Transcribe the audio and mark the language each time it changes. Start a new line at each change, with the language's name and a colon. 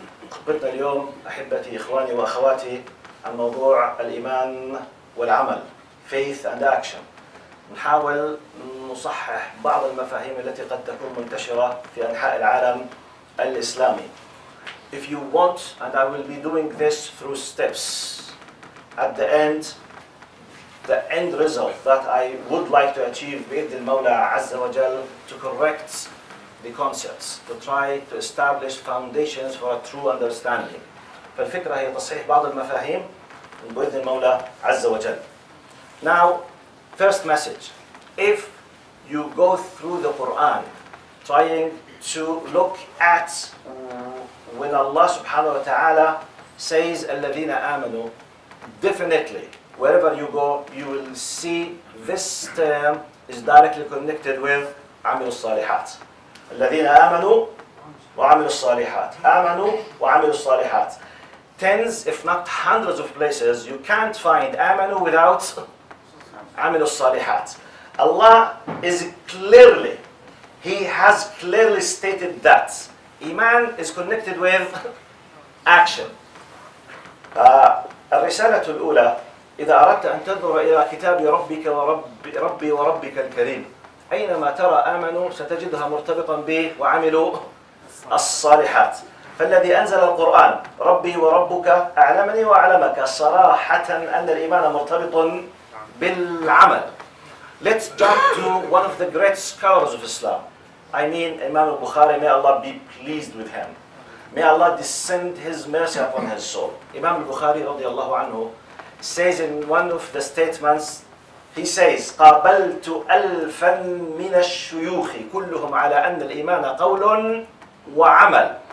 Arabic: قبلنا اليوم أحبتي إخواني وأخواتي عن موضوع الإيمان والعمل,
English: faith and action.
Arabic: نحاول نصحح بعض المفاهيم التي قد تكون منتشرة في أنحاء العالم الإسلامي.
English: If you want, and I will be doing this through steps, at the end, the end result that I would like to achieve with the Mawla Azza wa Jal to correct the concepts, to try to establish foundations for a true understanding.
Arabic: فالفكرة هي تصحيح بعض المفاهيم بإذن المولى عز وجل.
English: Now, first message. If you go through the Quran trying to look at when Allah subhanahu wa ta'ala says
Arabic: الَّذِينَ آمَنُوا,
English: definitely, wherever you go, you will see this term is directly connected with
Arabic: عَمِلُوا الصَّالِحَاتِ. الَّذِينَ آمَنُوا وَعَمِلُوا الصَّالِحَاتِ. آمَنُوا وَعَمِلُوا الصَّالِحَاتِ.
English: Tens, if not hundreds of places, you can't find آمَنُوا without
Arabic: عَمِلُوا الصَّالِحَاتِ.
English: Allah is clearly, he has clearly stated that Iman is connected with action.
Arabic: الرسالة الأولى, إذا أردت أن تنظر إلى كتاب ربك وربي وربك الكريم, أينما ترى آمنوا ستجدها مرتبطا به وعملوا الصالحات. فالذي أنزل القرآن ربي وربك أعلمني وأعلمك, صراحة أن الإيمان مرتبط بالعمل.
English: Let's jump to one of the great scholars of Islam. I mean Imam al-Bukhari, may Allah be pleased with him. May Allah descend his mercy upon his soul. Imam al-Bukhari radiallahu anhu says in one of the statements, he says,
Arabic: قَابَلْتُ أَلْفًا مِنَ الشُّيُوخِ كُلُّهُمْ عَلَىٰ أَنَّ الْإِيمَانَ قَوْلٌ وَعَمَلٌ.